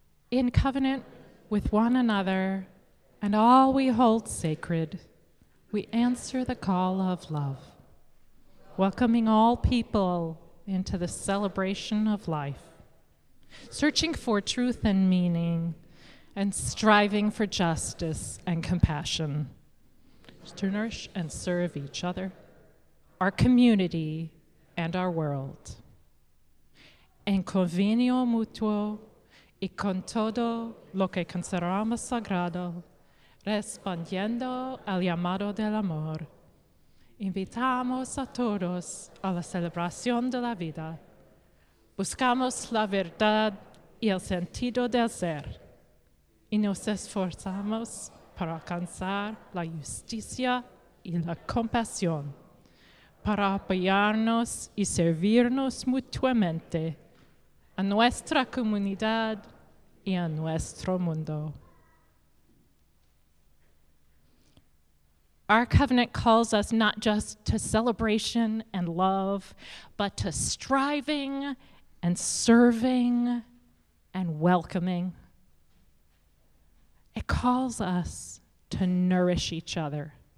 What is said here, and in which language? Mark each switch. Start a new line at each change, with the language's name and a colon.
English: In covenant with one another and all we hold sacred, we answer the call of love, welcoming all people into the celebration of life, searching for truth and meaning, and striving for justice and compassion, to nourish and serve each other, our community, and our world.
Spanish: En convenio mutuo y con todo lo que consideramos sagrado, respondiendo al llamado del amor, invitamos a todos a la celebración de la vida. Buscamos la verdad y el sentido del ser. Y nos esforzamos para alcanzar la justicia y la compasión, para apoyarnos y servirnos mutuamente a nuestra comunidad y a nuestro mundo.
English: Our covenant calls us not just to celebration and love, but to striving and serving and welcoming. It calls us to nourish each other.